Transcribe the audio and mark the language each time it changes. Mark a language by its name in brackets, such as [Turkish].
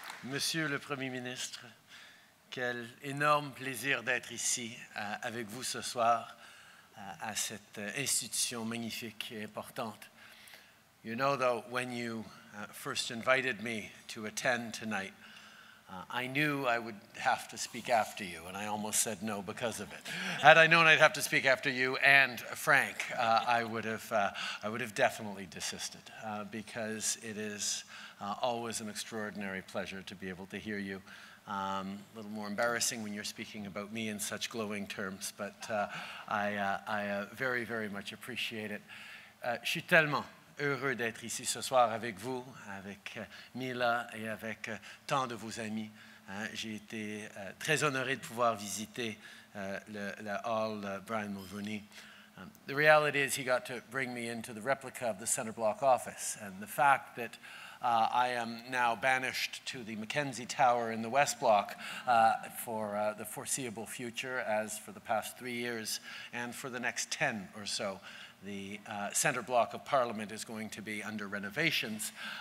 [French] Monsieur le Premier ministre, quel énorme plaisir d'être ici avec vous ce soir à cette institution magnifique et importante. [English] You know, though, when you first invited me to attend tonight, I knew I would have to speak after you, and I almost said no because of it. Had I known I'd have to speak after you and Frank, I would have definitely desisted, because it is always an extraordinary pleasure to be able to hear you. A little more embarrassing when you're speaking about me in such glowing terms, but I very, very much appreciate it. [French] Je suis tellement heureux d'être ici ce soir avec vous, avec Mila et avec tant de vos amis. J'ai été très honoré de pouvoir visiter le hall Brian Mulroney. [English] The reality is he got to bring me into the replica of the center block office, and the fact that I am now banished to the Mackenzie Tower in the West Block for the foreseeable future, as for the past 3 years, and for the next 10 or so, the center block of Parliament is going to be under renovations.